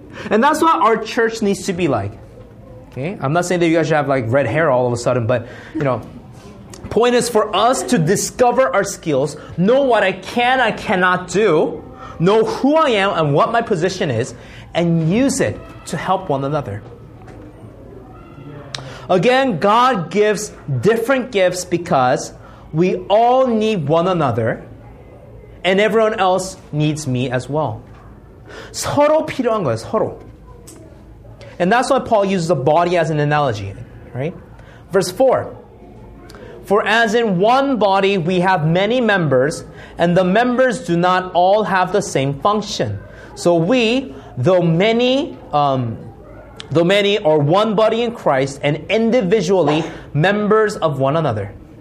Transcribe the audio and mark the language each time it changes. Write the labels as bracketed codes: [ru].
[en] And that's what our church needs to be like. Okay, I'm not saying that you guys should have like red hair all of a sudden, but you know, point is for us to discover our skills, know what I can, I cannot do, know who I am and what my position is, and use it to help one another. Again, God gives different gifts because we all need one another and everyone else needs me as well. [ko] 서로 필요한 거예요, 서로. [en] And that's why Paul uses the body as an analogy, right? Verse 4, for as in one body we have many members and the members do not all have the same function. So we, though many are one body in Christ and individually members of one another.